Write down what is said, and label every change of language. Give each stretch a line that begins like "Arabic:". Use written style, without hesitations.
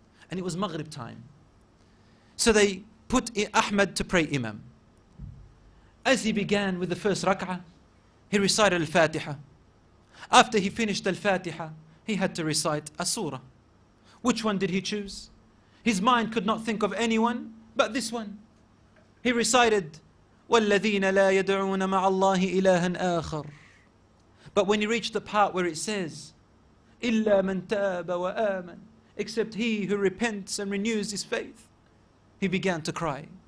English: And it was Maghrib time. So they put Ahmed to pray imam. As he began with the first rak'ah, he recited al-Fatiha. After he finished al-Fatiha, he had to recite a surah. Which one did he choose? His mind could not think of anyone but this one. He recited,
Arabic: وَالَّذِينَ لَا يَدْعُونَ مَعَ اللَّهِ إِلَهًا آخَرٍ.
English: But when he reached the part where it says,
Arabic: إِلَّا مَنْ تَابَ وَآمَنْ,
English: except he who repents and renews his faith, he began to cry.